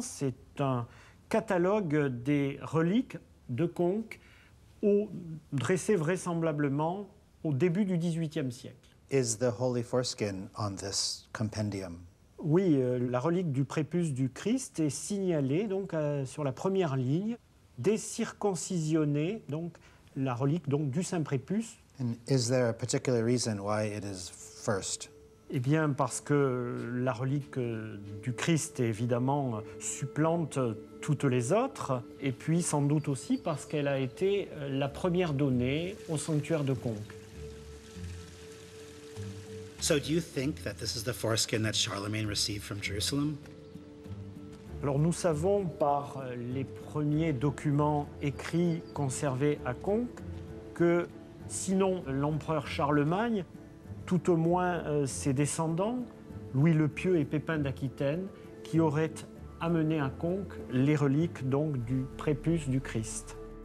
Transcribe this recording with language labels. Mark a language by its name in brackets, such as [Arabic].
[French] C'est un catalogue des reliques de Conch dressé vraisemblablement au début du XVIIIe siècle. [English] Is the Holy Foreskin on this compendium? [French] Oui, la relique du prépuce du Christ est signalée donc sur la première ligne, décirconcisionnée, donc la relique donc du Saint Prépuce. [English] And is there a particular reason why it is first? [French] Eh bien, parce que la relique du Christ, évidemment, supplante toutes les autres, et puis sans doute aussi parce qu'elle a été la première donnée au sanctuaire de Conques. [English] So do you think that this is the foreskin that Charlemagne received from Jerusalem? [French] Alors nous savons par les premiers documents écrits conservés à Conques que sinon l'empereur Charlemagne, tout au moins ses descendants, Louis le Pieux et Pépin d'Aquitaine, qui auraient amené à Conques les reliques donc du prépuce du Christ.